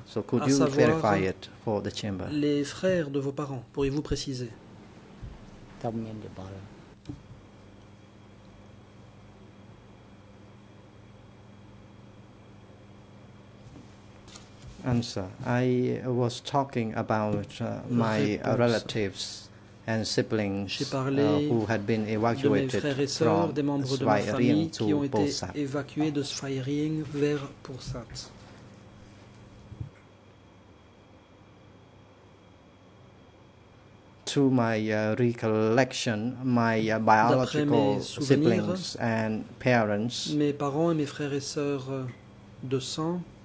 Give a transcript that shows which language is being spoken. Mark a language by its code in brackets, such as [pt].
[en] So could you clarify it for the chamber? [fr] Les frères de vos parents, pourriez-vous préciser? Oui. [en] answer. I was talking about my relatives and siblings who had been evacuated from Svayering to Pursat. [fr] Évacués de Svayering vers Pursat. [en] To my recollection, my biological siblings and parents, [fr] mes parents et mes frères et sœurs de sang,